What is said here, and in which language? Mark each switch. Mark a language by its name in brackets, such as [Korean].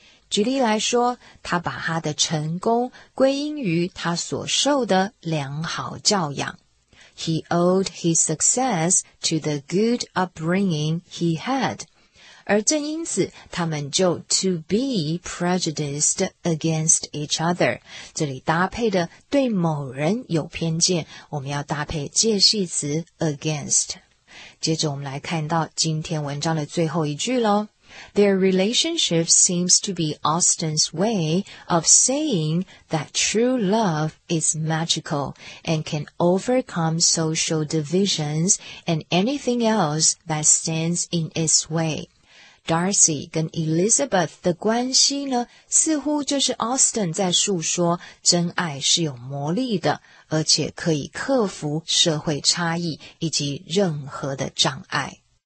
[Chinese] 举例来说，他把他的成功归因于他所受的良好教养。 [English] He owed his success to the good upbringing he had. [Chinese] 而正因此，他们就 [English] to be prejudiced against each other. [Chinese] 这里搭配的对某人有偏见，我们要搭配介系词 against. 接着我们来看到今天文章的最后一句咯。 [English] Their relationship seems to be Austen's way of saying that true love is magical and can overcome social divisions and anything else that stands in its way. [Chinese] Darcy 跟 Elizabeth 的关系呢，似乎就是 Austen 在述说真爱是有魔力的，而且可以克服社会差异以及任何的障碍。